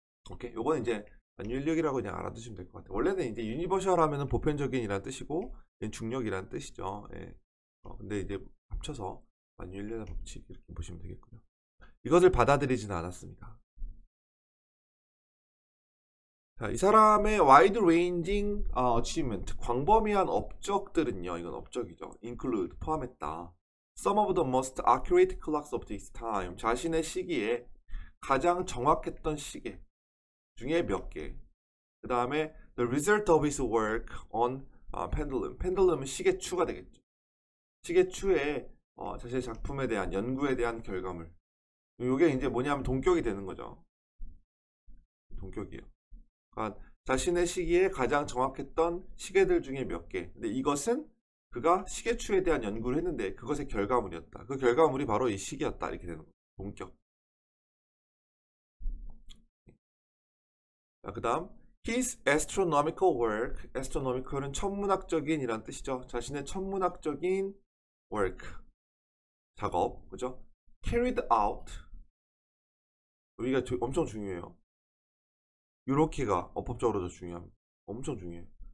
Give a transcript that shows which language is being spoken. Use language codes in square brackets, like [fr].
[ko] 오케이, 요거는 이제 만유인력이라고 그냥 알아두시면 될것 같아요. 원래는 이제 유니버셜 하면은 보편적인 이란 뜻이고 중력이란 뜻이죠. 예. 근데 이제 합쳐서 만유인력의 법칙 이렇게 보시면 되겠고요. 이것을 받아들이지는 않았습니다. 자, 이 사람의 와이드 레인징 어치이브먼트 광범위한 업적들은요. 이건 업적이죠. 인클루드 포함했다. [en] Some of the most accurate clocks of this time. [ko] 자신의 시기에 가장 정확했던 시계 중에 몇 개. 그 다음에 [en] the result of his work on pendulum. [ko] Pendulum은 시계추가 되겠죠. 시계추에 자신의 작품에 대한 연구에 대한 결과물. 이게 이제 뭐냐면 동격이 되는 거죠. 동격이에요. 자신의 시기에 가장 정확했던 시계들 중에 몇 개. 근데 이것은 그가 시계추에 대한 연구를 했는데 그것의 결과물이었다. 그 결과물이 바로 이 시계였다. 이렇게 되는 거예요. 본격. 자, 그다음 [en] his astronomical work. [ko] astronomical은 천문학적인 이란 뜻이죠. 자신의 천문학적인 work 작업, 그죠? [en] carried out. [ko] 여기가 엄청 중요해요. 요렇게가 어법적으로도 중요합니다. 엄청 중요해요.